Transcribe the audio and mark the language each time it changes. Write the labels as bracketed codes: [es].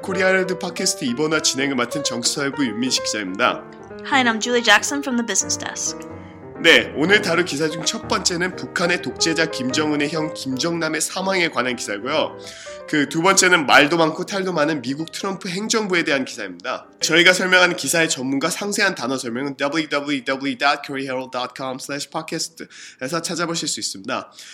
[ko] 코리아 헤럴드 팟캐스트 이번화 진행을 맡은 정치사회부 윤민식 기자입니다. [en] Hi, I'm Julie Jackson from the Business Desk. [ko] 네, 오늘 다룰 기사 중 첫 번째는 북한의 독재자 김정은의 형 김정남의 사망에 관한 기사고요. 그 두 번째는 말도 많고 탈도 많은 미국 트럼프 행정부에 대한 기사입니다. 저희가 설명하는 기사의 전문가 상세한 단어 설명은 www.koreaherald.com/podcast에서 찾아보실 수 있습니다.